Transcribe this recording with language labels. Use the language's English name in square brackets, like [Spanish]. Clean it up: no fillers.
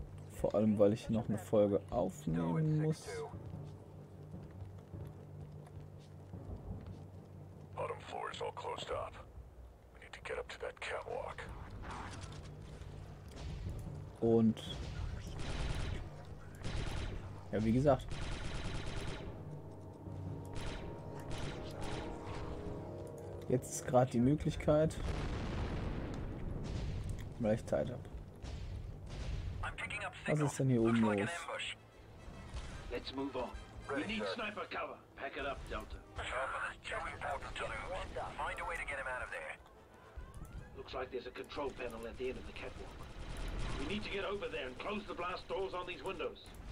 [German] Vor allem, weil ich noch eine Folge aufnehmen muss. [English] Bottom floor is all closed up. We need to get up to that catwalk. [German] Und ja, wie gesagt, jetzt ist gerade die Möglichkeit, weil ich Zeit habe. Was ist denn hier oben los? [English] Let's move on. We need sniper cover. Pack it up, Delta. Find a way to get him out of there. Looks like there's a control panel at the end of the catwalk. We need to get over there and close the blast doors on these windows.